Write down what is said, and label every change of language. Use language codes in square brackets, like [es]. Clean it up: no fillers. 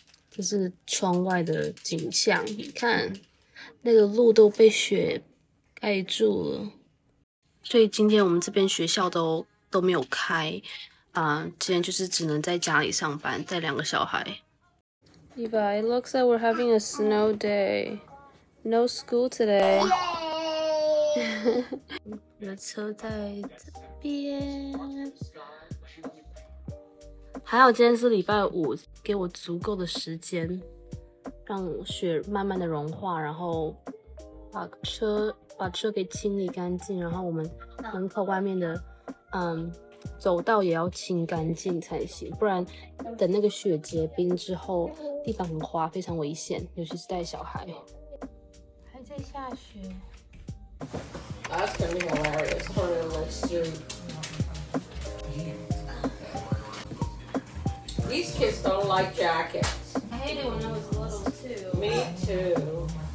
[zh] 就是窗外的景象，你看，那个路都被雪盖住了，所以今天我们这边学校都没有开，今天就是只能在家里上班，带两个小孩。 [en] Eva, it looks like we're having a snow day. No school today. [zh] 我的车在这边，还好今天是礼拜五，给我足够的时间让雪慢慢的融化，然后把车给清理干净，然后我们门口外面的走道也要清干净才行，不然等那个雪结冰之后，地板很滑，非常危险，尤其是带小孩。还在下雪。 [en] That's gonna be hilarious. Turn it like soon. These kids don't like jackets. I hate it when I was little too. Me too.